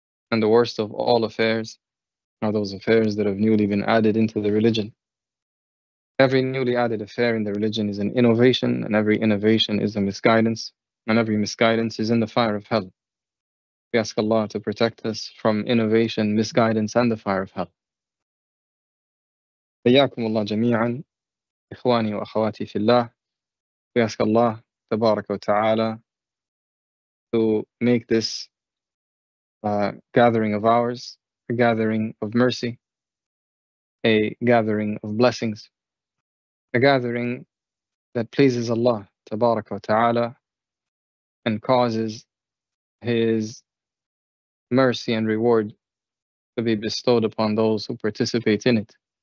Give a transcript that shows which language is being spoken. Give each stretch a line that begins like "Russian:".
English: And the worst of all affairs are those affairs that have newly been added into the religion. Every newly added affair in the religion is an innovation, and every innovation is a misguidance, and every misguidance is in the fire of hell. We ask Allah to protect us from innovation, misguidance, and the fire of hell.
Arabic: حياكم الله جميعا إخواني وأخواتي في الله.
English: We ask Allah
Arabic: تبارك وتعالى
English: to make this gathering of ours a gathering of mercy, a gathering of blessings, a gathering that pleases Allah تبارك وتعالى and causes His mercy and reward to be bestowed upon those who participate in it.